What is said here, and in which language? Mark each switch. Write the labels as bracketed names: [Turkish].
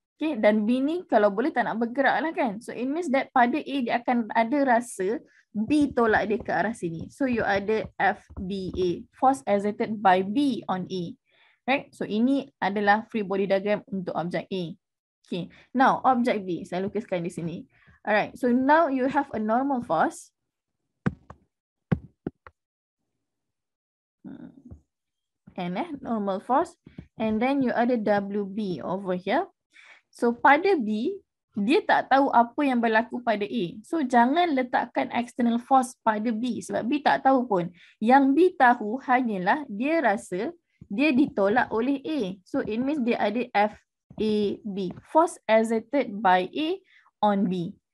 [Malay] Okay, dan B ni kalau boleh tak nak bergerak lah kan. [English] So it means that [Malay] pada A dia akan ada rasa B tolak dia ke arah sini. [English] So you [Malay] ada [English] FBA, force exerted by B on A. Right? [Malay] So ini adalah free body diagram untuk objek A. [English] Okay, now [Malay] objek B saya lukiskan di sini. [English] Alright, so now you have a normal force. And eh, normal force. And then you [Malay] ada [English] WB over here. [Malay] So pada B, dia tak tahu apa yang berlaku pada A. So jangan letakkan external force pada B sebab B tak tahu pun. Yang B tahu hanyalah dia rasa dia ditolak oleh A. [English] So it means [Malay] dia ada [English] FAB, force exerted by A on B.